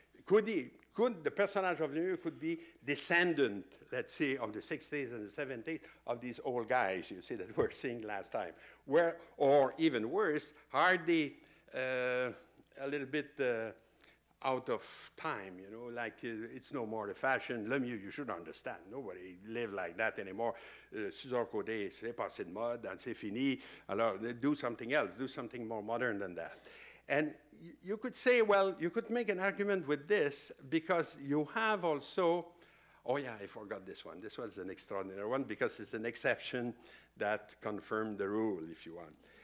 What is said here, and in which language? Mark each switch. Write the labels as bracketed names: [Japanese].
[English] Could the personage of Lemieux could be descendant, let's say, of the 60s and the 70s, of these old guys, you see, that we're seeing last time? Where, or even worse, are they a little bit out of time, you know, like it's no more the fashion. Lemieux, you should understand. Nobody live like that anymore. [French] César Côté, c'est passé de mode, and c'est fini. [English] Alors, do something else, do something more modern than that. And you could say, well, you could make an argument with this because you have also, oh yeah, I forgot this one. This was an extraordinary one because it's an exception that confirmed the rule, if you want.